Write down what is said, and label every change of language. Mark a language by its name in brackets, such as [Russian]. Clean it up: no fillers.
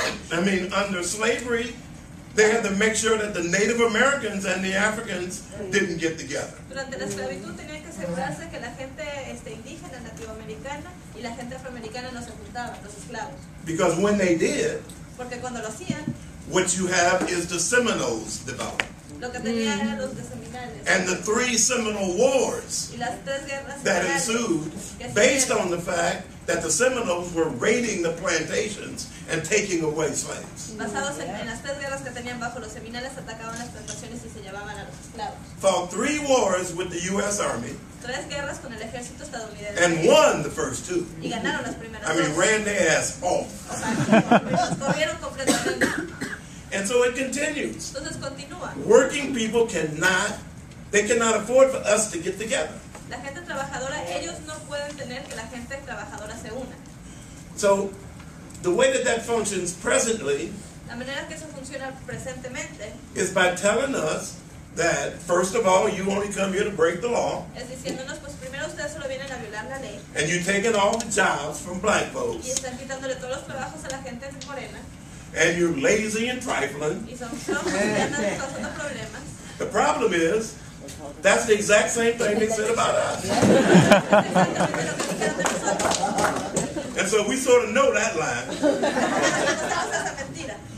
[English] I mean, under slavery, they had to make sure that the Native Americans and the Africans didn't get together. [Spanish] Durante la esclavitud tenían que asegurarse que la gente indígena, nativoamericana y la gente afroamericana no se juntaban, los esclavos. [English] Because when they did, [Spanish] porque cuando lo hacían, [English] what you have is the Seminoles developed. [Spanish] Lo que tenían eran los de Seminoles. [English] And the three Seminole wars [Spanish] y las tres guerras [English] that ensued based on the fact that the Seminoles were raiding the plantations and taking away slaves. [Spanish] Basados en las tres guerras que tenían bajo los Seminoles, atacaban las plantaciones y se llevaban a los esclavos. [English] Fought three wars with the U.S. Army. [Spanish] Tres guerras con el ejército estadounidense. [English] And won the first two. [Spanish] Y ganaron las primeras dos. [English] I mean, ran their ass off. [Spanish] Corrieron completamente. [English] And so it continues. [Spanish] Entonces continúa. [English] Working people cannot, they cannot afford for us to get together. [Spanish] La gente trabajadora, ellos no pueden tener que la gente trabajadora se una. [English] So, the way that that functions presently, [Spanish] la manera que eso funciona presentemente, [English] is by telling us that, first of all, you only come here to break the law, [Spanish] es diciéndonos, pues primero ustedes solo vienen a violar la ley, [English] and you're taking all the jobs from black folks, [Spanish] y están quitándole todos los trabajos a la gente morena, [English] and you're lazy and trifling, [Spanish] y son flojos, y andan causando problemas. [English] The problem is, that's the exact same thing they said about us. And so we sort of know that line.